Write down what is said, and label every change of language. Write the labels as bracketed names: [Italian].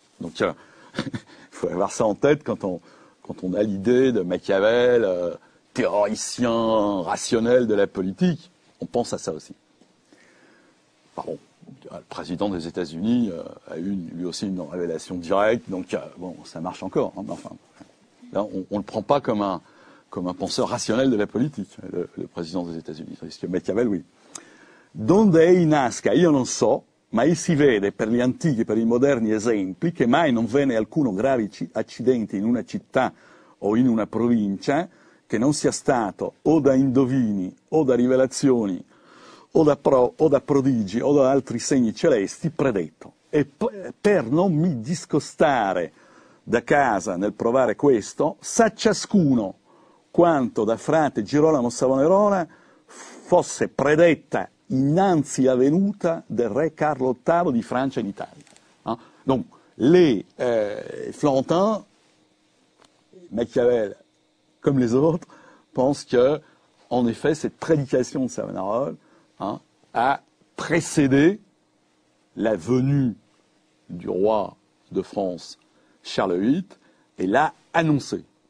[French] Donc, il faut avoir ça en tête quand on, a l'idée de Machiavel, théoricien rationnel de la politique. On pense à ça aussi. Enfin, bon, le président des États-Unis a eu lui aussi une révélation directe. Donc, bon, ça marche encore. Hein, mais enfin, là, on le prend pas comme un, penseur rationnel de la politique, le président des États-Unis. Parce que Machiavel, oui. [Italian] Donde è in Asca, io non so, ma i si vede per gli antichi, per i moderni esempi, che mai non venne alcuno grave accidente in una città o in una provincia che non sia stato o da indovini, o da rivelazioni, o da prodigi, o da altri segni celesti, predetto. E per non mi discostare da casa nel provare questo, sa ciascuno quanto da frate Girolamo Savonarola fosse predetta innanzi avvenuta del re Carlo VIII di Francia in Italia. [French] Hein? Donc, les Florentins, Machiavel, comme les autres, pensent que, en effet, cette prédication de Savonarole hein, a précédé la venue du roi de France, Charles VIII, et l'a annoncé.